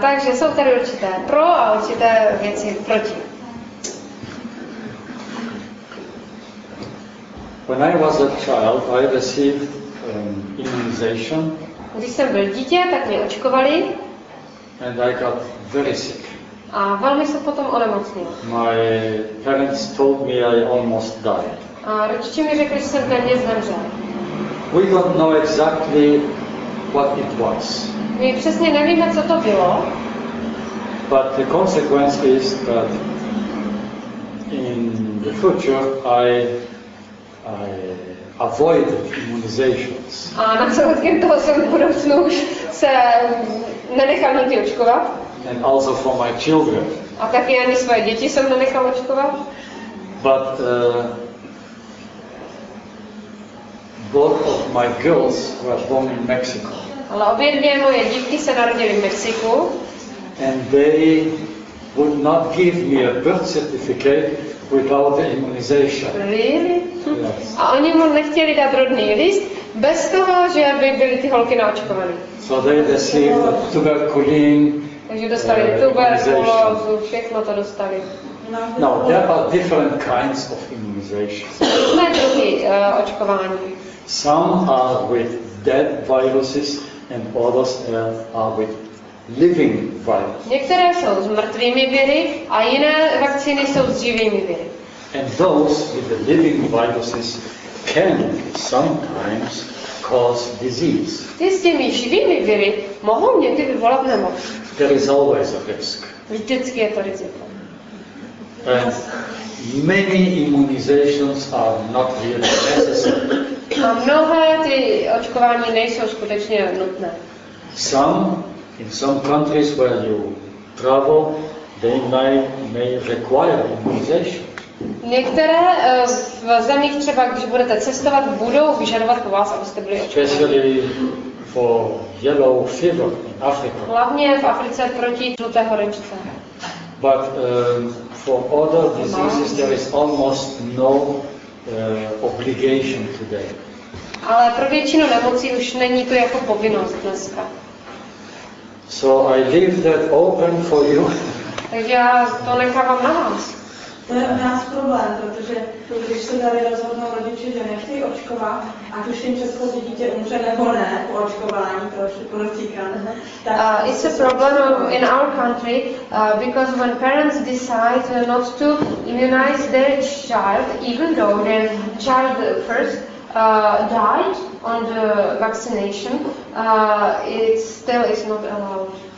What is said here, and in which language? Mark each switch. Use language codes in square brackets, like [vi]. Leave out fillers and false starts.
[cs] Takže jsou tady určité pro a určité věci proti. [en] When I was a child, I received immunization. [cs] Když jsem byl dítě, tak mě očkovali. [en] And I got very sick. [cs] A velmi se potom onemocnil. [en] My parents told me I almost died. [cs] A rodiče mi řekli, že jsem téměř zemřel. [en] We don't know exactly what it was. [cs] My přesně nevíme, co to bylo. [en] But the consequence is that in the future I avoided immunizations. [cs] A na následkem toho jsem v budoucnu už se nenechal nikdy očkovat. [en] And also for my children. [cs] A taky ani svoje děti jsem nenechal očkovat. [en] But both of my girls were born in Mexico. [cs] Ale obě dvě moje dívky se narodily v Mexiku. [en] And they would not give me a birth certificate without the immunization. Really? Yes. [cs] A oni mu nechtěli dát rodný list bez toho, že by byly ty holky naočkovány. [en] So they received tuberculin [cs] Takže dostali tuberkulózu, všechno to dostali. [en] No, there are different kinds of immunizations. [cs] Jsme druhý očkování. [en] Some are with dead viruses and others are with living viruses. [cs] Některé jsou s mrtvými viry a jiné vakcíny jsou s živými viry. [en] And those with the living viruses can sometimes cause disease. [cs] Ty s těmi živými viry mohou někdy vyvolat nemoc. [en] There is always a risk. [cs] Vždycky je to riziko. [en] And many immunizations are not really necessary. [cs] A mnohé ty očkování nejsou skutečně nutné. [en] Some, in some countries where you travel, they may require immunization. [cs] Některé v zemích třeba, když budete cestovat, budou vyžadovat po vás, abyste byli očkováni. [en] Especially for yellow fever in Africa. [cs] Hlavně v Africe proti žluté horečce. [en] But for other diseases there is almost no obligation today. [cs] Ale pro většinu nemocí už není to jako povinnost dneska. [en] So I leave that open for you. [cs] Takže já to nechávám na vás. To je u nás problém, protože když se tady rozhodnou rodiče, že nechtějí očkovat, ať už tím českou dítě umře nebo ne po očkování, to už podotýkám. [en] It's a problem in our country, because when parents decide not to immunize their child, even though their child first died on the vaccination, it still is not allowed.